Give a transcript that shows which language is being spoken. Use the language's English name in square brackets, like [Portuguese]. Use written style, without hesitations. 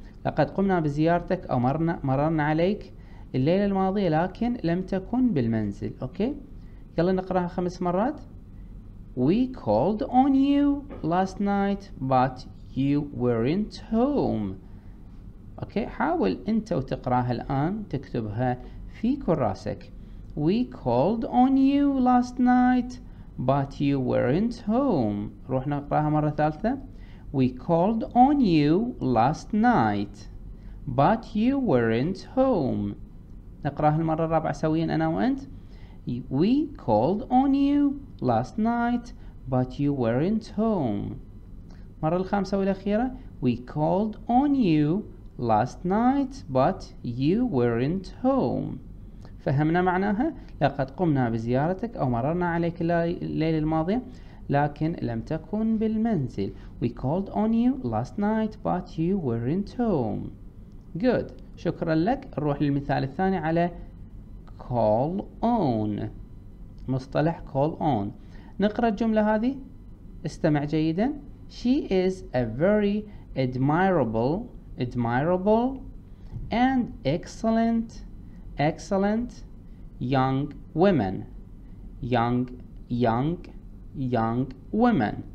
[Arabic] لقد قمنا بزيارتك أو مررنا عليك الليلة الماضية لكن لم تكن بالمنزل، اوكي؟ يلا نقرأها 5 مرات. [English] We called on you last night but you weren't home. [Arabic] اوكي، حاول انت وتقرأها الآن تكتبها في كراسك. [English] We called on you last night but you weren't home. [Arabic] روح نقرأها مرة ثالثة. [English] We called on you last night but you weren't home. [Arabic] نقرأها المرة الرابعة سويا أنا وأنت. [English] We called on you last night but you weren't home. [Arabic] مرة الخامسة والأخيرة. [English] We called on you last night but you weren't home. [Arabic] فهمنا معناها؟ لقد قمنا بزيارتك أو مررنا عليك الليلة الماضية لكن لم تكن بالمنزل. [English] We called on you last night but you weren't home. Good. [Arabic] شكرا لك. نروح للمثال الثاني على call on، مصطلح call on. نقرأ الجملة هذه، استمع جيدا. [English] She is a very admirable and excellent young woman.